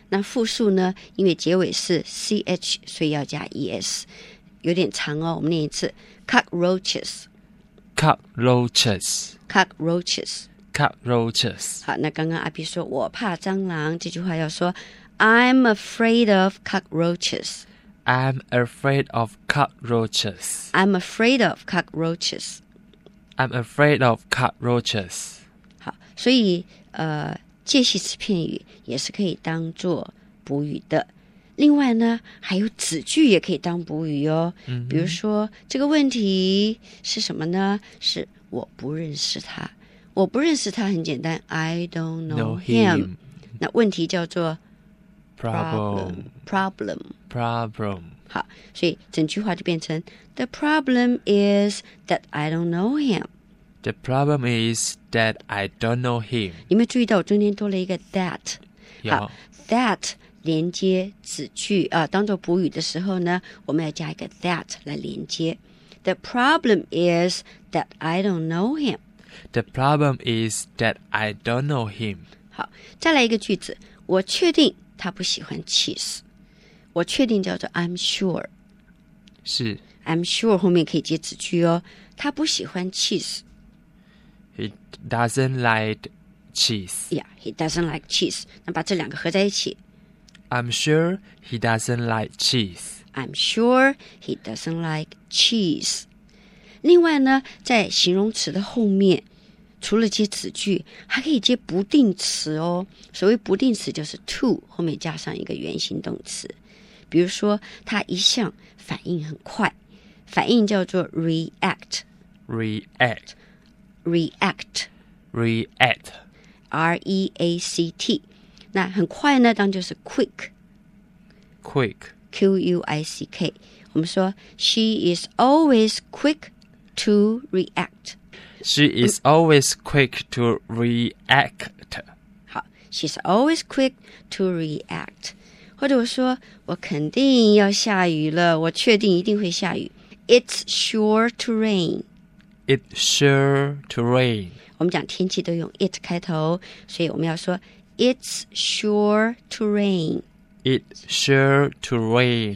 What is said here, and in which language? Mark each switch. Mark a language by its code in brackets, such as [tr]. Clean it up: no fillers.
[zh] 那复数呢因为结尾是 ch 所以要加 es 有点长哦我们念一次 cockroaches [en] cockroaches cockroaches cockroaches [zh] 好那刚刚阿 B 说我怕蟑螂这句话要说 [en] I'm afraid of cockroaches I'm afraid of cockroaches. I'm afraid of cockroaches. I'm afraid of cockroaches. [zh] 好，所以介系词片语也是可以当作补语的。另外呢，还有子句也可以当补语哦。比如说这个问题是什么呢？是我不认识他。我不认识他很简单 ， [en] I don't know him. [zh] 那问题叫做。 [en] Problem. [zh] 好，所以整句话就变成 [en] The problem is that I don't know him. The problem is that I don't know him. [zh] 你们注意到我中间多了一个 that. 好，that 连接子句啊，当做补语的时候呢，我们要加一个 that 来连接。 [en] The problem is that I don't know him. The problem is that I don't know him. [zh] 好，再来一个句子，我确定他不喜欢 cheese。我确定叫做 [en] I'm sure。 [zh] 是。 [en] I'm sure [zh] 后面可以接子句哦，他不喜欢 cheese。 [en] He doesn't like cheese. Yeah, he doesn't like cheese. [zh] 那把这两个合在一起。 [en] I'm sure he doesn't like cheese. I'm sure he doesn't like cheese. [zh] 另外呢，在形容词的后面，除了接子句，还可以接不定词哦。所谓不定词就是 to 后面加上一个原形动词。比如说，他一向反应很快，反应叫做 react. [en] React. React. React. R-E-A-C-T. [zh] 那很快呢，当就是 quick, [en] quick, Q U I C K。 [zh] 我们说 [en] she is always quick to react. She is always quick to react. 好 ，she's always quick to react. [zh] 或者我说我肯定要下雨了，我确定一定会下雨。 [en] It's sure to rain. It's sure to rain. [zh] 我们讲天气都用 it 开头，所以我们要说。 [en] It's sure to rain. It's sure to rain.